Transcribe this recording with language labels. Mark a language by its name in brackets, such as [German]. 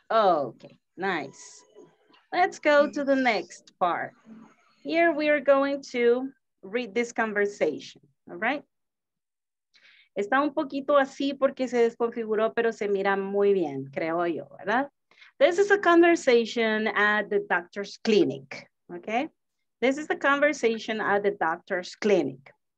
[English] Okay, nice. Let's go to the next part. here we are going to read this conversation, all right? [Spanish] Está un poquito así porque se desconfiguró, pero se mira muy bien, creo yo, ¿verdad? [English] This is a conversation at the doctor's clinic, okay? This is the conversation at the doctor's clinic.